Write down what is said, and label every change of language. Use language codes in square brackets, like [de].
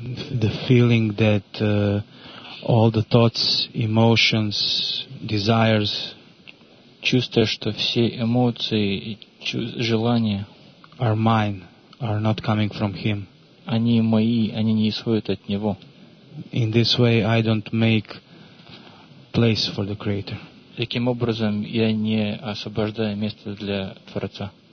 [en] The feeling that all the thoughts, emotions, desires. [ru] Чувство, что все эмоции и желания. [en] Are mine, are not coming from him. [ru] Они мои, они не исходят от него. [en] In this way I don't make place for the Creator. [ru] Таким образом, я не освобождаю место для Творца.